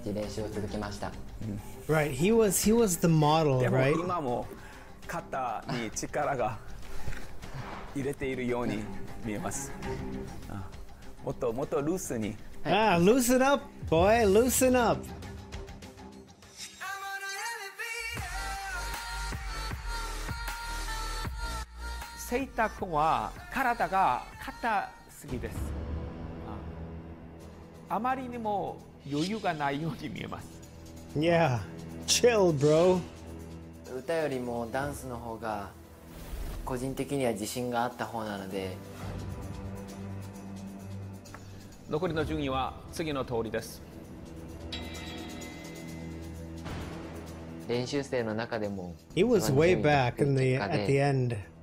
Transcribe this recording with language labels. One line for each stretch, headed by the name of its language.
Japanese: どんなところに集中して準備しましたか。はい、僕は3次オーディションの時にJYパークさんから発声のことについてのフィードバックをされたので、発声が良くなるように僕はまず喉に力が入ってしまうので喉の力を抜く練習もして少しでも発声が良くなるようにと毎日練習を続けました。
English: Right, he was the model, right?
Japanese: でも今も肩に力が入れているように見えます。もっとルースに
English: Ah, loosen up, boy, loosen up.
Japanese: セイタ君は体が硬すぎです。あまりにも余裕がないように見えます。
English: Yeah, chill, bro.
Japanese: 歌よりもダンスの方が個人的には自信があった方なので。残りの順位は次の通りです。練習生の中でも、
English: He was way back in the at the end.